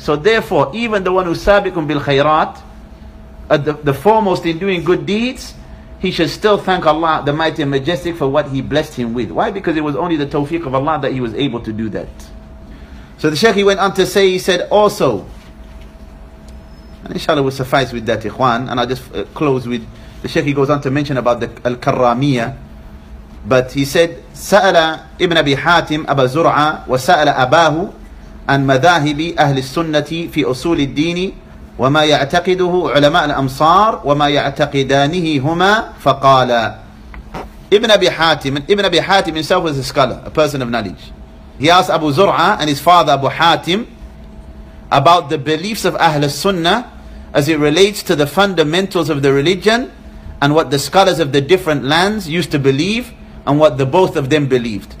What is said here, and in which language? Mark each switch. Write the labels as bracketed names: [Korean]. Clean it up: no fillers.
[English] So therefore, even the one who [Arabic] سَابِقٌ بِالْخَيْرَاتِ, [English] the foremost in doing good deeds, he should still thank Allah, the Mighty and Majestic, for what he blessed him with. Why? Because it was only the tawfiq of Allah that he was able to do that. So the Shaykh, he went on to say, he said also, and inshallah will suffice with that, ikhwan, and I'll just close with, the Shaykh, he goes on to mention about the Al-Karramiyyah. But he said, [Arabic] سأل ابن أبي حاتم أبا زرعة وسأل أباه عن مذاهب أهل السنة في أصول الدين وما يعتقده علماء الأمصار وما يعتقدانه هما فقال. [English] Ibn Abi Hatim himself was a scholar, a person of knowledge. He asked Abu Zur'a and his father Abu Hatim about the beliefs of Ahl al-Sunnah as it relates to the fundamentals of the religion and what the scholars of the different lands used to believe and what the both of them believed.